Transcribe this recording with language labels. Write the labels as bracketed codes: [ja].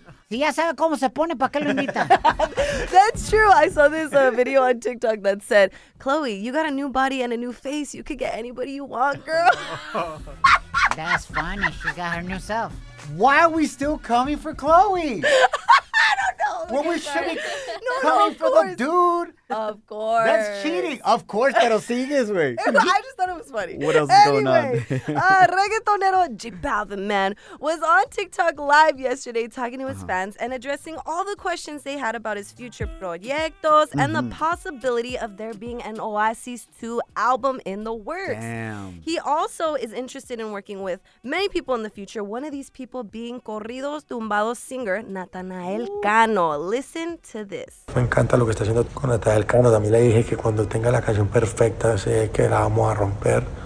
[es] Si ya sabe cómo se pone, ¿para qué lo invita? [en] That's true. I saw this video on TikTok that said, Chloe, you got a new body and a new face. You could get anybody you want, girl. That's funny. She got her new self. Why are we still coming for Chloe? No, well, we should be no, coming no, for the dude. Of course. That's cheating. Of course, [es] pero sigue, güey. [en] I just thought it was funny. What else is going on? Anyway, reggaetonero J Balvin, man, was on TikTok Live yesterday talking to his fans and addressing all the questions they had about his future proyectos and the possibility of there being an Oasis 2 album in the works. Damn. He also is interested in working with many people in the future, one of these people being Corridos Tumbados singer Natanael Cano. Listen to this. [es] Me encanta lo que está haciendo con Natanael Cano. También le dije que cuando tenga la canción perfecta, sé que la vamos a romper.